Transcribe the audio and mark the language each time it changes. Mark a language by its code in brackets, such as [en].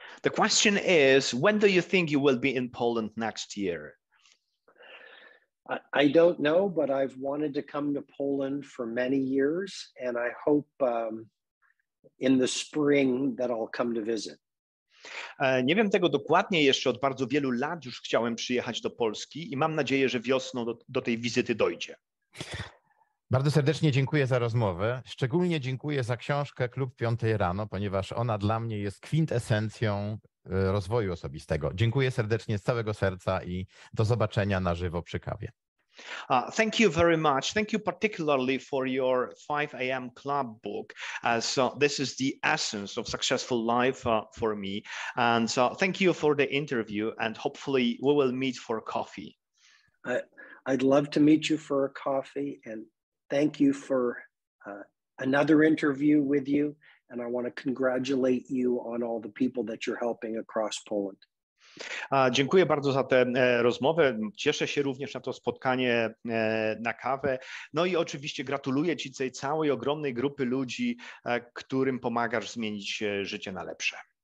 [en] The question is, when do you think you will be in Poland next year? I don't know, but I've wanted to come to Poland for many years, and I hope in the spring that I'll come to visit. [pl] Nie wiem tego dokładnie, jeszcze od bardzo wielu lat już chciałem przyjechać do Polski i mam nadzieję, że wiosną do tej wizyty dojdzie. Bardzo serdecznie dziękuję za rozmowę. Szczególnie dziękuję za książkę Klub Piątej Rano, ponieważ ona dla mnie jest kwintesencją rozwoju osobistego. Dziękuję serdecznie z całego serca i do zobaczenia na żywo przy kawie. [en] Thank you very much. Thank you particularly for your 5 a.m. club book. So this is the essence of successful life for me. And so thank you for the interview and hopefully we will meet for coffee. I'd love to meet you for a coffee and thank you for another interview with you. And I want to congratulate you on all the people that you're helping across Poland. [pl] Dziękuję bardzo za tę rozmowę. Cieszę się również na to spotkanie na kawę. No i oczywiście gratuluję Ci tej całej ogromnej grupy ludzi, którym pomagasz zmienić życie na lepsze.